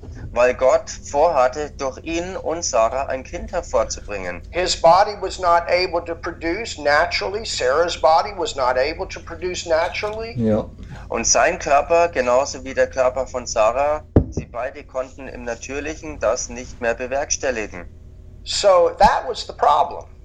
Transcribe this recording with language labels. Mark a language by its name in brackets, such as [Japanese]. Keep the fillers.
[German] Weil Gott vorhatte, durch ihn und Sarah ein Kind hervorzubringen. [English] His body was not able to produce naturally. Sarah's body was not able to produce naturally. [German] Ja. Und sein Körper, genauso wie der Körper von Sarah, sie beide konnten im Natürlichen das nicht mehr bewerkstelligen. [English] So that was the problem.